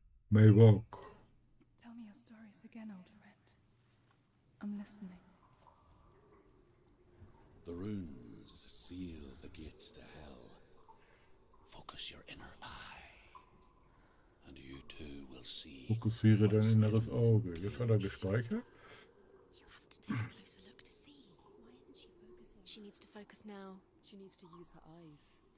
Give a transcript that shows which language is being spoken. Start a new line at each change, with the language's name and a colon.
English: May walk. Tell me your stories again, old friend. I'm listening. The runes seal the gates to hell. Focus your inner eye, and you too will see.
German: Fokussiere dein inneres Auge. Jetzt hat er gespeichert.
English: You have to take a closer look to see. Why isn't she focusing? She needs to focus now. She needs to use her eyes.